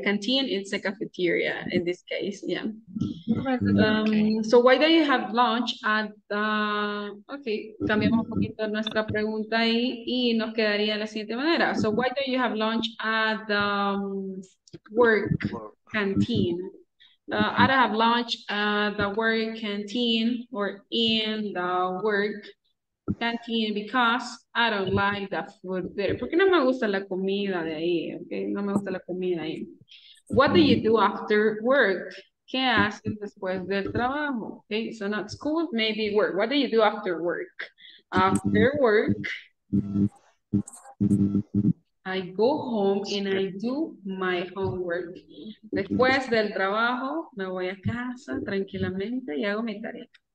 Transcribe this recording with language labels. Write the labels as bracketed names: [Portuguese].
[English] Canteen, it's a cafeteria in this case, yeah. Okay. So why do you have lunch at the... [Spanish] Okay, cambiamos un poquito nuestra pregunta ahí y nos quedaría de la siguiente manera. [English] So why do you have lunch at the work canteen? I don't have lunch at the work canteen or in the work canteen because I don't like the food there. [Spanish] Porque no me gusta la comida de ahí, okay? No me gusta la comida ahí. [English] What do you do after work? [Spanish] ¿Qué haces después del trabajo? [English] Okay, so not school, maybe work. What do you do after work? After work, I go home and I do my homework. [Spanish] Después del trabajo, me voy a casa tranquilamente y hago mi tarea.